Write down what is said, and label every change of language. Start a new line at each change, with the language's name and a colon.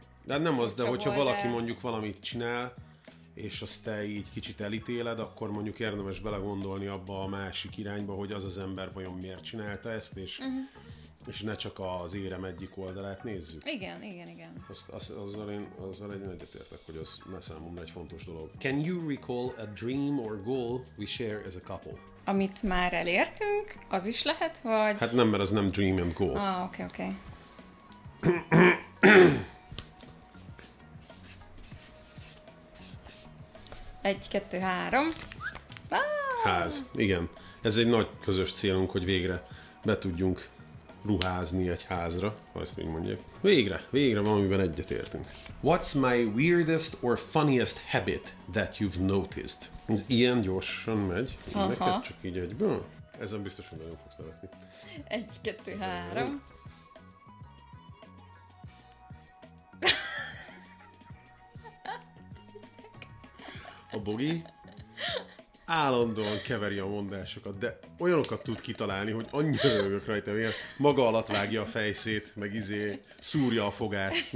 Hungarian: De nem az, de hogyha valaki mondjuk valamit csinál, és azt te így kicsit elítéled, akkor mondjuk érdemes belegondolni abba a másik irányba, hogy az az ember vajon miért csinálta ezt, és, és ne csak az érem egyik oldalát nézzük. Igen, igen, igen. Azzal én egyetértek, hogy az ne számomra egy fontos dolog.
English: Can you recall a dream or goal we share as a couple?
Hungarian: Amit már elértünk, az is lehet, vagy? Hát nem, mert az nem
English: dream and goal.
Hungarian: Ah, oké, okay, oké. Egy, kettő, három. Ah! Ház. Igen. Ez egy nagy közös célunk, hogy végre be tudjunk ruházni egy házra, ha ezt még mondják. Végre. Végre valamiben egyetértünk.
English: What's my weirdest or funniest habit that you've noticed?
Hungarian: Ez ilyen gyorsan megy. Ez neked csak így egyből? Ezen biztos, hogy nagyon fogsz nevetni. Egy, kettő, három. A Bogi állandóan keveri a mondásokat, de olyanokat tud kitalálni, hogy annyira örülök rajta, hogy ilyen maga alatt vágja a fejszét, meg szúrja a fogát.